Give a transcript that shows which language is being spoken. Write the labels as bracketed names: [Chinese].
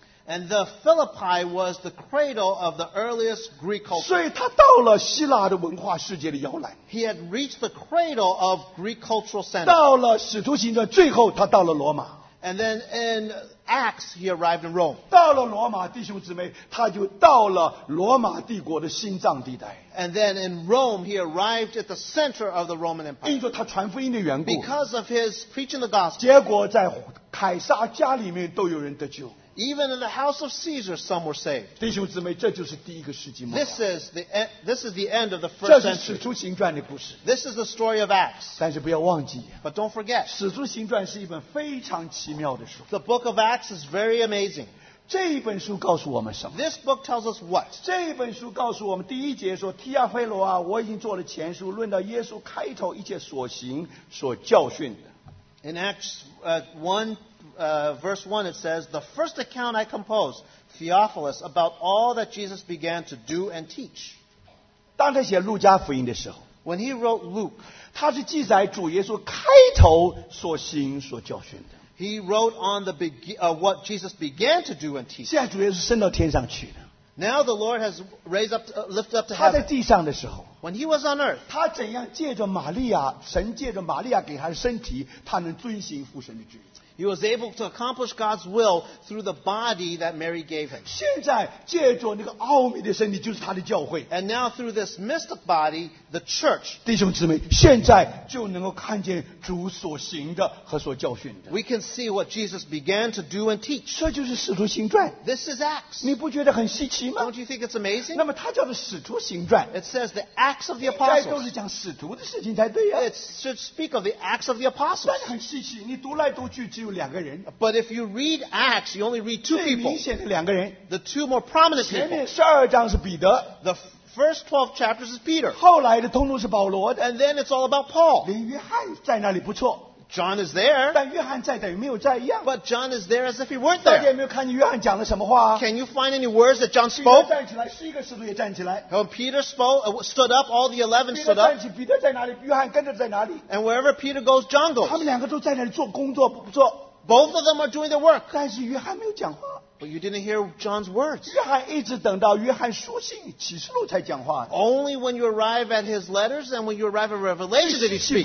[English] and the Philippi was the cradle of the earliest Greek culture. [Chinese] 所以他到了希腊的文化世界的摇篮, [English] he had reached the cradle of Greek cultural center. [Chinese] 到了使徒行传, 最后他到了罗马, [English] and then in Acts he arrived in Rome. [Chinese] 到了罗马, 弟兄姊妹, 他就到了罗马帝国的心脏地带, [English] and then in Rome he arrived at the center of the Roman Empire. [Chinese] 因着他传福音的缘故, [English] because of his preaching the gospel, [Chinese] 结果在凯撒家里面都有人得救, [English] even in the house of Caesar, some were saved. [Chinese] 弟兄姊妹, [English] this is the end of the first century. [Chinese] 这是使徒行传的故事, [English] this is the story of Acts. [Chinese] 但是不要忘记, [English] but don't forget, [Chinese] 使徒行传是一本非常奇妙的书, [English] the book of Acts is very amazing. [Chinese] 这一本书告诉我们什么? [English] This book tells us what? [Chinese] 这一本书告诉我们, 第一节说, 提亚菲罗啊, 我已经做了前书, 论到耶稣开头一切所行所教训的, [English] in Acts 1 verse 1, it says, the first account I composed, Theophilus, about all that Jesus began to do and teach. [Chinese] 当他写路加福音的时候, [English] when he wrote Luke, [Chinese] 他是记载主耶稣开头所行所教训的, [English] he wrote on the what Jesus began to do and teach. [Chinese] 现在主耶稣升到天上去了, [English] now the Lord has lifted up to heaven. [Chinese] 他在地上的时候, [English] When he was on earth, [Chinese] 他怎样借着玛利亚给他的身体，他能遵行父神的旨意。 [English] He was able to accomplish God's will through the body that Mary gave him. [Chinese] 现在借着那个奥秘的身体就是他的教会。 [English] And now through this mystic body, the church. [Chinese] 弟兄姊妹，现在就能够看见主所行的和所教训的。 [English] We can see what Jesus began to do and teach. [Chinese] 这就是使徒行传。 [English] This is Acts. [Chinese] 你不觉得很稀奇吗？ [English] Don't you think it's amazing? [Chinese] 那么它叫做使徒行传。 [English] It says the Acts of the Apostles. [Chinese] 应该都是讲使徒的事情才对啊。 [English] It should speak of the Acts of the Apostles. [Chinese] 但很稀奇，你读来读去。 [English] But if you read Acts, you only read two people. The two more prominent people. [Chinese] 前面12章是彼得, [English] the first 12 chapters is Peter. [Chinese] 后来的通路是保罗, [English] and then it's all about Paul. [Chinese] 林约翰在那里不错, [English] John is there. [Chinese] 但约翰在等于没有在一样, [English] but John is there as if he weren't there. [Chinese] 大家有没有看见约翰讲了什么话? [English] Can you find any words that John spoke? [Chinese] 彼得站起来, [English] when Peter spoke, stood up, all the 11 stood up. [Chinese] 彼得站起, [English] and wherever Peter goes, John goes. [Chinese] 他们两个都在那里做工作, [English] both of them are doing their work. [Chinese] 但是约翰没有讲话。 [English] But you didn't hear John's words. [Chinese] 约翰一直等到约翰书信启示录才讲话。 [English] Only when you arrive at his letters and when you arrive at Revelation did he speak.